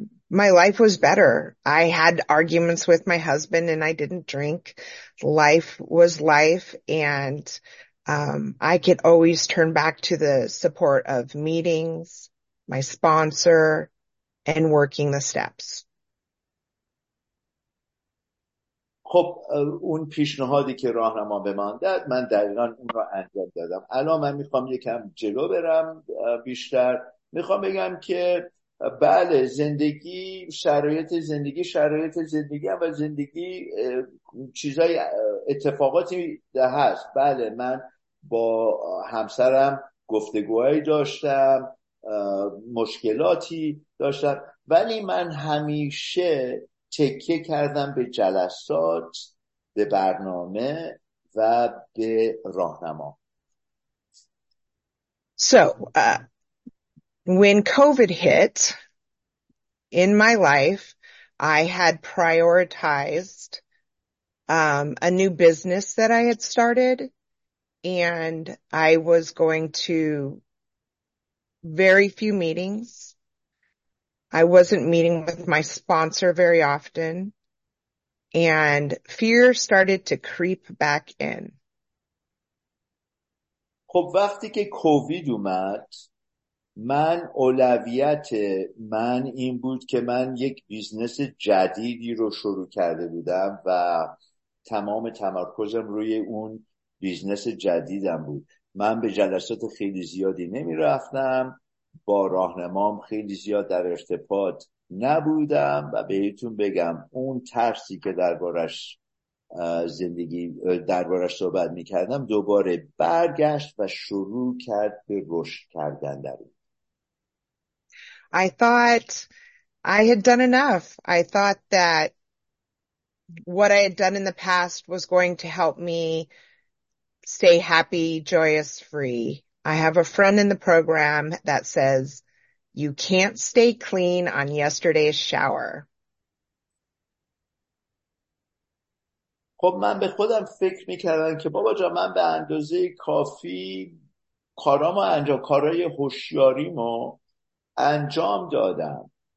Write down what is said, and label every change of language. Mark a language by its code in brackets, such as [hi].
[en] My life was better. I had arguments with my husband and I didn't drink. Life was life. And I could always turn back to the support of meetings, my sponsor, and working the steps. [fa] خب اون پیشنهادی که راهنما به من داد، من دقیقا اون رو انجام دادم. الان من میخوام یکم جلو برم، بیشتر میخوام بگم که بله، زندگی، شرایط زندگی، شرایط زندگی و زندگی چیزای اتفاقاتی ده هست. بله من با همسرم گفتگوهایی داشتم، مشکلاتی داشتم، ولی من همیشه تکیه کردم به جلسات، به برنامه و به راهنما. [en] So, when COVID hit in my life, I had prioritized a new business that I had started, and I was going to very few meetings. I wasn't meeting with my sponsor very often, and fear started to creep back in. [fa] خب وقتی که کووید اومد، من اولویت من این بود که من یک بیزنس جدیدی رو شروع کرده بودم و تمام تمرکزم روی اون بیزنس جدیدم بود. من به جلسات خیلی زیادی نمی رفتم، با راهنمام خیلی زیاد در ارتباط نبودم و بهتون بگم اون ترسی که دربارش زندگی دربارش صحبت میکردم دوباره برگشت و شروع کرد به رشد کردن در اون. [en] I thought I had done enough. I thought that what I had done in the past was going to help me stay happy, joyous, free. I have a friend in the program that says, you can't stay clean on yesterday's shower. [fa] خب من به خودم فکر میکردم که بابا جا من به اندازه کافی کارامو انجام، کارهای هوشیاریمو انجام دادم.